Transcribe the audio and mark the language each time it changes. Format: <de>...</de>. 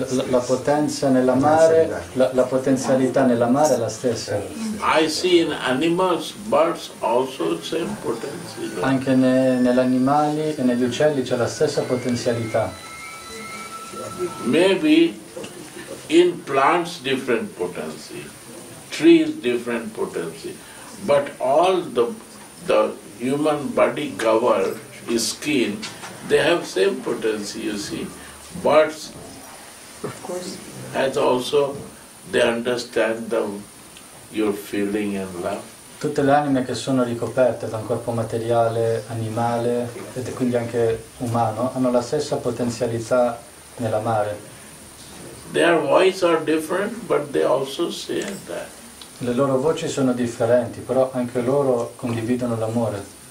<it>La potenza nell'amare, la potenzialità nell'amare è la stessa.</it> <en>I see in animals, birds also same potentiality.</en> <it>Anche negli animali e negli uccelli c'è la stessa potenzialità.</it> <en>Maybe in plants different potency, trees different potency, but all the human body cover, skin, they have same potency, you see. Birds, of course, has also, they understand the, your feeling and love.</en> <it>Tutte le anime che sono ricoperte da un corpo materiale, animale, e quindi anche umano, hanno la stessa potenzialità nell'amare.</it> <en>Their voice are different, but they also say that.</en> <it>Le loro voci sono differenti, però anche loro condividono l'amore.</it>